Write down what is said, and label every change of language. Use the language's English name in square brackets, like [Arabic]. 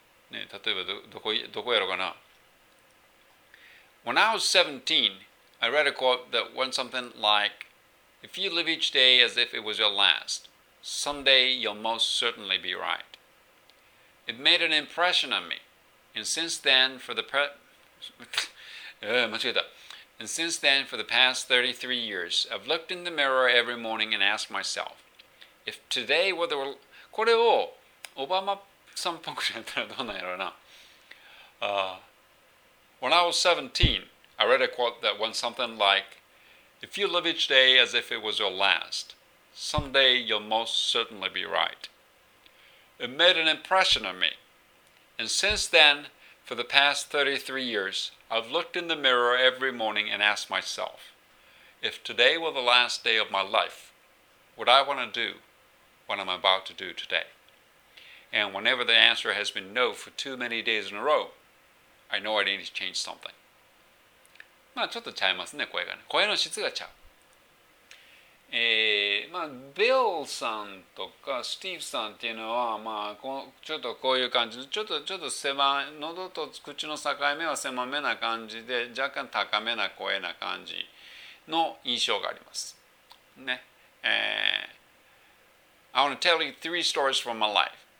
[Japanese] ね、例えばどこやろかな。 [English] When I was 17, I read a quote that went something like, If you live each day as if it was your last, someday you'll most certainly be right. It made an impression on me. And since then, for the past 33 years, I've looked in the mirror every morning and asked myself, if today were the world... [Japanese] これをオバマさんっぽくやったらどうなんやろうな。 [English] When I was 17, I read a quote that went something like, If you live each day as if it was your last, someday you'll most certainly be right. It made an impression on me. And since then, for the past 33 years, I've looked in the mirror every morning and asked myself, if today were the last day of my life, would I want to do what I'm about to do today? And whenever the answer has been no for too many days in a row, I know I need to change something. [Japanese] まあちょっとちゃいますね、声がね。声の質がちゃう。まあ、ビルさんとかスティーブさんっていうのは、まあ、ちょっとこういう感じで、ちょっと狭い、喉と口の境目は狭めな感じで、若干高めな声な感じの印象があります。ね。 [English] I want to tell you three stories from my life.